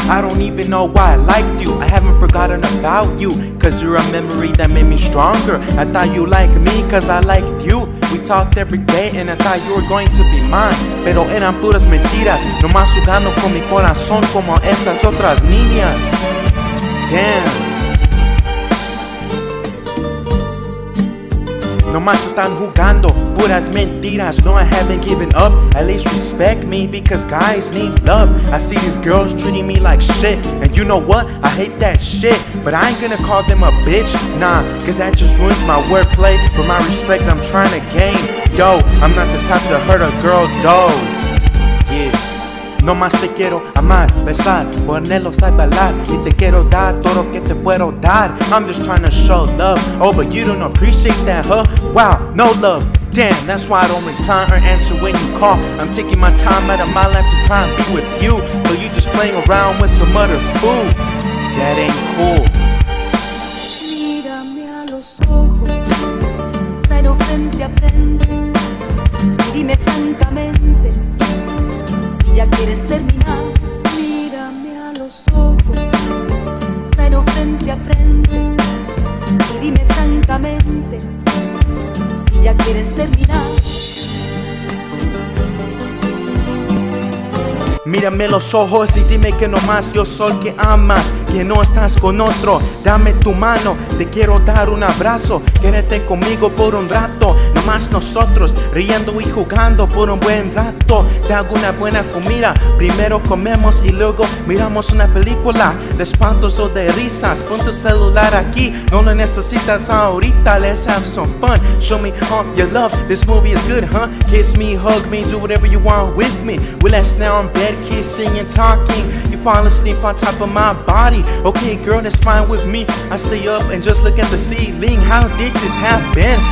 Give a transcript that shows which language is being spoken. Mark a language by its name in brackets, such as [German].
[English] I don't even know why I liked you. I haven't forgotten about you, cause you're a memory that made me stronger. I thought you liked me cause I liked you. We talked every day and I thought you were going to be mine, [Spanish] pero eran puras mentiras. No más jugando con mi corazón como esas otras niñas. [English] Damn. [Spanish] No más están jugando puras mentiras. [English] No, I haven't given up. At least respect me, because guys need love. I see these girls treating me like shit, and you know what? I hate that shit. But I ain't gonna call them a bitch, nah, cause that just ruins my wordplay for my respect I'm trying to gain. Yo, I'm not the type to hurt a girl, though. Yeah. [Spanish] No más te quiero amar, besar, ponerlos a bailar, y te quiero dar todo que te puedo dar. [English] I'm just trying to show love. Oh, but you don't appreciate that, huh? Wow, no love. Damn, that's why I don't reply or answer when you call. I'm taking my time out of my life to try and be with you, but you just playing around with some other fool. That ain't cool. [Spanish] Mírame a los ojos, pero frente a frente, dime francamente. Ya quieres terminar, mírame a los ojos, pero frente a frente, y dime francamente, si ya quieres terminar. Mírame los ojos y dime que no más, yo soy que amas, que no estás con otro. Dame tu mano, te quiero dar un abrazo, quédate conmigo por un rato. No más nosotros, riendo y jugando por un buen rato. Te hago una buena comida, primero comemos y luego miramos una película de espantos o de risas. Pon tu celular aquí, no lo necesitas ahorita. [English] Let's have some fun, show me all your love. This movie is good, huh? Kiss me, hug me, do whatever you want with me. We last now in bed, kissing and talking. You fall asleep on top of my body. Okay, girl, that's fine with me. I stay up and just look at the ceiling. How did this happen?